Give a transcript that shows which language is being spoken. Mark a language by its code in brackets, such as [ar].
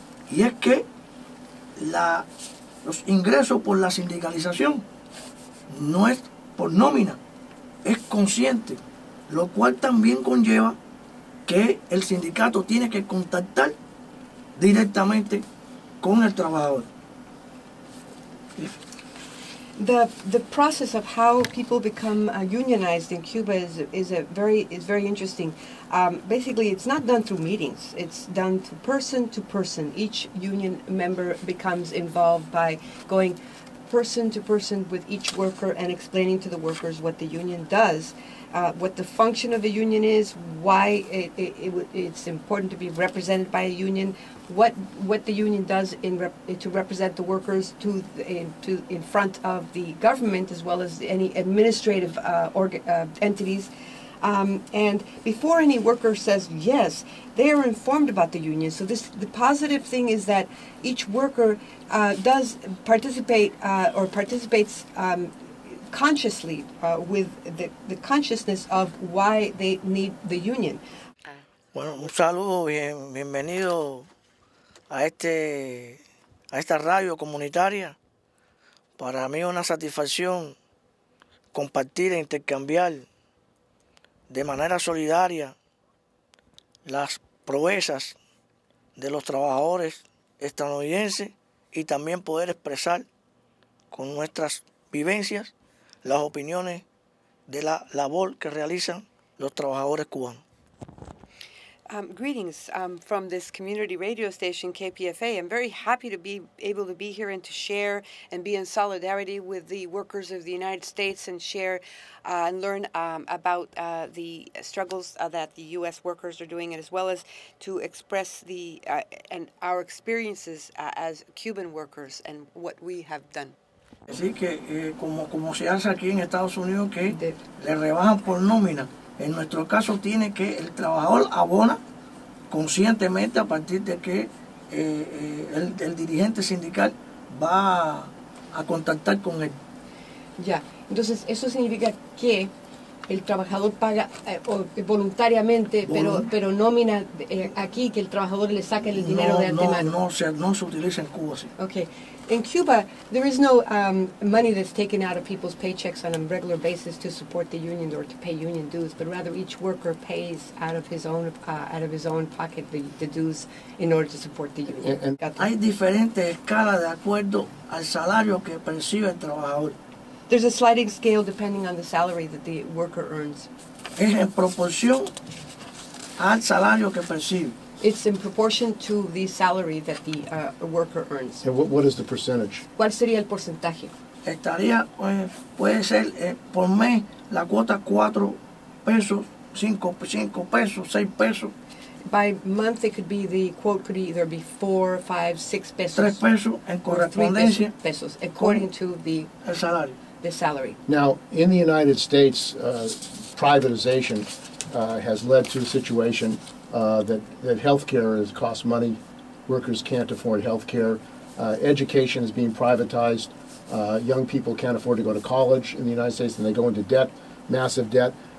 [es] Y es que los ingresos por la sindicalización no es por nómina, es consciente, lo cual también conlleva que el sindicato tiene que contactar directamente con el trabajador. [en] The process of how people become unionized in Cuba is very interesting. Basically, it's not done through meetings. It's done through person to person. Each union member becomes involved by going person to person with each worker and explaining to the workers what the union does, what the function of the union is, why it's important to be represented by a union, what the union does to represent the workers in front of the government, as well as any administrative entities. And before any worker says yes, they are informed about the union. So the positive thing is that each worker does participate or participates consciously with the consciousness of why they need the union. [es] Bueno, un saludo, bienvenido a esta radio comunitaria. Para mí es una satisfacción compartir e intercambiar de manera solidaria las proezas de los trabajadores estadounidenses y también poder expresar con nuestras vivencias las opiniones de la labor que realizan los trabajadores cubanos. [en] Greetings from this community radio station, KPFA. I'm very happy to be able to be here and to share and be in solidarity with the workers of the United States and share and learn about the struggles that the U.S. workers are doing, and as well as to express the and our experiences as Cuban workers and what we have done. [es] Así que como se hace aquí en Estados Unidos, que le rebajan por nómina. En nuestro caso tiene que el trabajador abona conscientemente a partir de que el dirigente sindical va a contactar con él. Ya, entonces eso significa que el trabajador paga voluntariamente, pero nómina aquí que el trabajador le saque el dinero de antemano. No se utiliza en Cuba, sí. [en] Okay. In Cuba, there is no money that's taken out of people's paychecks on a regular basis to support the union or to pay union dues, but rather each worker pays out of his own pocket the dues in order to support the union. [es] Hay diferentes escalas de acuerdo al salario que percibe el trabajador. [en] There's a sliding scale depending on the salary that the worker earns. [es] Es en proporción al salario que percibe. [en] It's in proportion to the salary that the worker earns. And what is the percentage? [es] ¿Cuál sería el porcentaje? Estaría, puede ser, por mes, la cuota 4 pesos, 5 pesos, 6 pesos. [en] By month, it could be, the quote could either be 4, 5, 6 pesos. [es] 3 pesos en correspondencia. [en] Pesos, according to the salary. The salary. Now, in the United States, privatization has led to a situation that health care has cost money, workers can't afford health care, education is being privatized, young people can't afford to go to college in the United States, and they go into debt, massive debt.